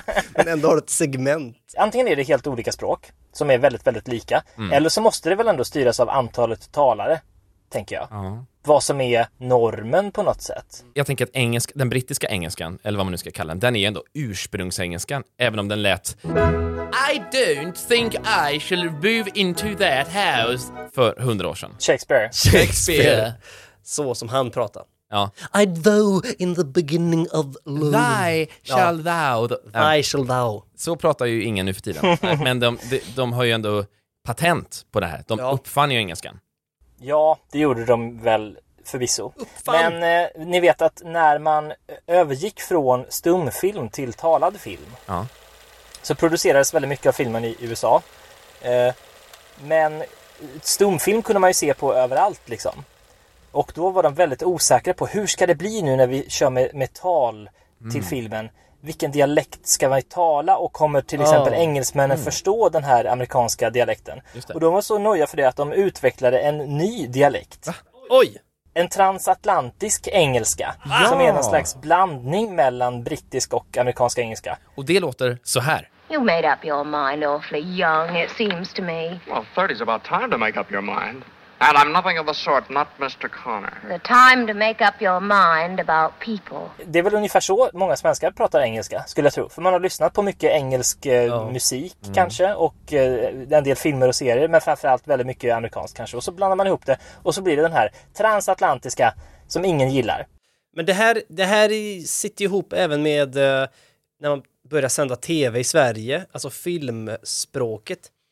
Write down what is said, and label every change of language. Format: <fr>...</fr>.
<sv>Men ändå har du ett segment. Antingen är det helt olika språk som är väldigt, väldigt lika. Mm. Eller så måste det väl ändå styras av antalet talare, tänker jag. Uh-huh. Vad som är normen på något sätt. Jag tänker att engelska, den brittiska engelskan, eller vad man nu ska kalla den, den är ändå ursprungsengelskan, även om den lät...</sv> <en>I don't think I shall move into that house.</en> <sv>För 100 år sedan. Shakespeare. Så som han pratar. Ja.</sv> <en>I though in the beginning of love. Thy shall thou. Thy shall thou.</en> <sv>Så pratar ju ingen nu för tiden. Men de har ju ändå patent på det här. De uppfann ju engelskan. Ja, det gjorde de väl förvisso. Men ni vet att när man övergick från stumfilm till talad film. Ja. Så producerades väldigt mycket av filmen i USA. Men stumfilm kunde man ju se på överallt liksom. Och då var de väldigt osäkra på hur ska det bli nu när vi kör med tal till filmen. Vilken dialekt ska man tala och kommer till exempel engelsmännen förstå den här amerikanska dialekten? Och de var så nöja för det att de utvecklade en ny dialekt. Oj! En transatlantisk engelska som är en slags blandning mellan brittisk och amerikanska engelska. Och det låter så här.</sv> <en>You made up your mind awfully young, it seems to me. Well, 30's about time to make up your mind. And I'm nothing of the sort, not Mr. Connor. The time to make up your mind about people.</en> <sv>Det är väl ungefär så många svenskar pratar engelska, skulle jag tro. För man har lyssnat på mycket engelsk musik, kanske. Och en del filmer och serier, men framförallt väldigt mycket amerikanskt, kanske. Och så blandar man ihop det, och så blir det den här transatlantiska som ingen gillar. Men det här sitter ihop även med när man börjar sända tv i Sverige, alltså filmspråket.</sv>